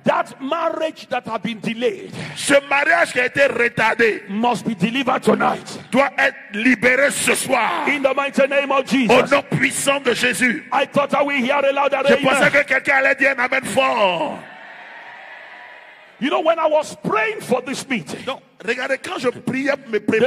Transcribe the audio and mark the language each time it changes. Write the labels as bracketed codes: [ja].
[en] That marriage that has been delayed. [fr] Ce mariage qui a été retardé [en] must be delivered tonight. [fr] Doit être libéré ce soir. [en] In the mighty name of Jesus. [fr] Au nom puissant de Jésus. [en] I thought I will hear a louder [fr] je [en] amen. [fr] Pensais que quelqu'un allait dire un amen fort. [en] You know when I was praying for this meeting. [fr] Donc, regardez quand je priais pour me préparer.